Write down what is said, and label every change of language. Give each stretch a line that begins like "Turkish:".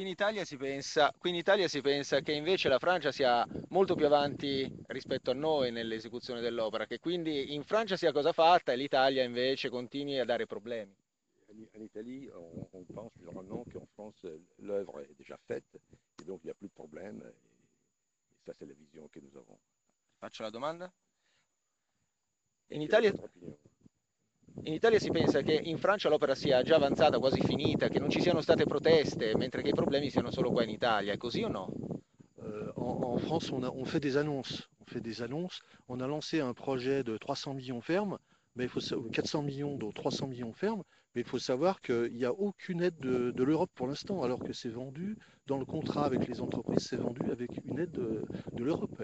Italian: Qui in Italia si pensa che invece la Francia sia molto più avanti rispetto a noi nell'esecuzione dell'opera, che quindi in Francia sia cosa fatta e l'Italia invece continui a dare problemi.
French: En Italie, on pense généralement qu'en France, l'œuvre est déjà faite et donc il n'y a plus de problème. Et ça, c'est la vision que nous avons.
Italian: Faccio la domanda. In Italia si pensa che in Francia l'opera sia già avanzata, quasi finita, che non ci siano state proteste, mentre che i problemi siano solo qua in Italia. È così o no?
French: En France, on fait des annonces. On a lancé un projet de 300 millions fermes. Mais il faut savoir, 400 millions, dont 300 millions fermes, mais il faut savoir qu'il n'y a aucune aide de l'Europe pour l'instant, alors que c'est vendu dans le contrat avec les entreprises, c'est vendu avec une aide de l'Europe.